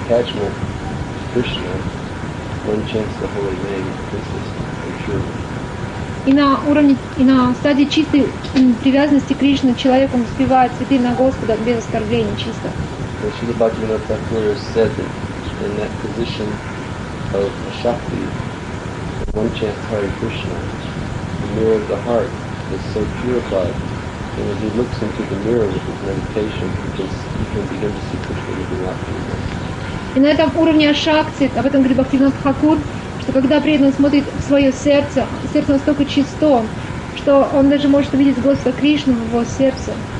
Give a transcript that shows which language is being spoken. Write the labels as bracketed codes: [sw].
[en] One chants the holy name, this is for sure. [ru] И на стадии чистой привязанности к Кришне человек он воспевает святые имена Господа без оскорблений, чисто. [en] Шрила Бхактивинода Тхакура said that in that position of Ashakti, one chants Hare Krishna, the mirror of the heart is so purified, and as he looks into the mirror with his meditation, he can begin to see Krishna moving out from him. [ru] И на этом уровне Ашакти, об этом говорит Бхактивинода Тхакур, что когда преданный смотрит в свое сердце, сердце настолько чисто, что он даже может увидеть Господа Кришну в его сердце.